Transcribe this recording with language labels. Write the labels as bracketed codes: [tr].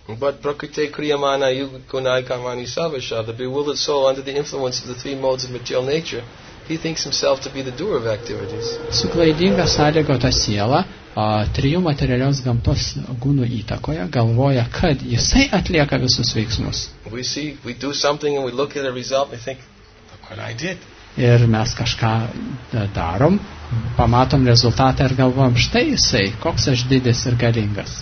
[en] But [sa] prakriti kriyamana yugunai kamani savasha, [en] the bewildered soul under the influence of the three modes of material nature, he thinks himself to be the doer of activities. [lt] Suklaidinga sąlygota siela trijų materialios gamtos gūnų įtakoje galvoja, kad jisai atlieka visus veiksmus. [en] We see, we do something and we look at a result and we think, look what I did. [lt] Ir mes kažką darom, pamatom rezultatą ir galvojam, štai jisai, koks aš didis ir galingas.